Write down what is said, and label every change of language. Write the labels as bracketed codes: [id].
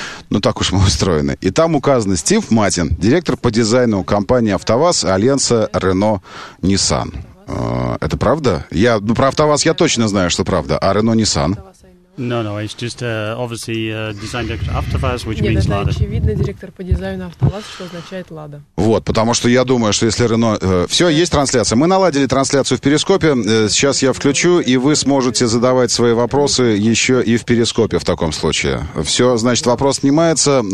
[ru] Ну, так уж мы устроены. И там указан Стив Матин, директор по дизайну компании «АвтоВАЗ» альянса «Рено-Ниссан». Это правда? Я, ну, про «АвтоВАЗ» я точно знаю, что правда. А «Рено-Ниссан»? [en] No, it's just obviously design director AvtoVAZ, which [ru] нет, [en] means Lada. [ru] Нет, это очевидно, директор по дизайну AvtoVAZ, что означает Lada. Вот, потому что я думаю, что если Рено... Все, есть трансляция. Мы наладили трансляцию в Перископе. Сейчас я включу, и вы сможете задавать свои вопросы еще и в Перископе в таком случае. Все, значит, вопрос снимается.